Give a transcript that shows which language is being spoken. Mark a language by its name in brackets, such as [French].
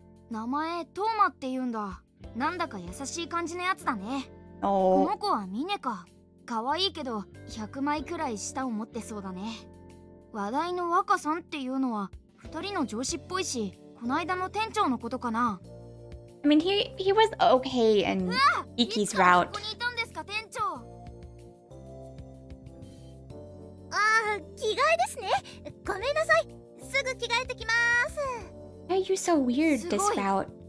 [Japanese] 名前トーマって言うんだ。なんだか優しい感じのやつだね。この子はミネか。可愛いけど100枚くらい舌を持ってそうだね。話題の若さんっていうのは二人の上司っぽいし、こないだの店長のことかな。 [English] I mean, he was okay in Iki's route. [Japanese] ここにいたんですか、店長。あー、着替えですね。ごめんなさい、すぐ着替えてきます。 [English] Are you so weird this route?